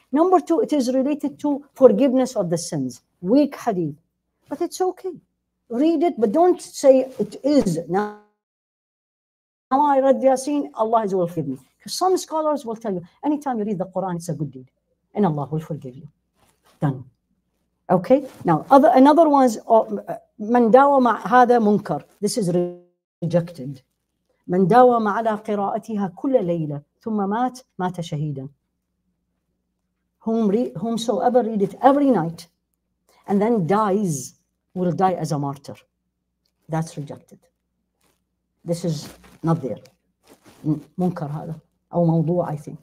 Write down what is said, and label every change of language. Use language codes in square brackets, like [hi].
[en] Number two, it is related to forgiveness of the sins. Weak hadith. But it's okay. Read it, but don't say it is. Now I read Yasin, Allah will forgive me. Because some scholars will tell you, anytime you read the Quran, it's a good deed. And Allah will forgive you. Done. Okay? Now, another one is, [ar] من داوم هذا منكر. [en] This is rejected. [ar] من داوم على قراءتها كل ليلة. ثم مات مات شهيدا. [en] Whomsoever read it every night and then dies will die as a martyr. That's rejected. This is not there. [ar] Munkar هذا أو موضوع [en] I think.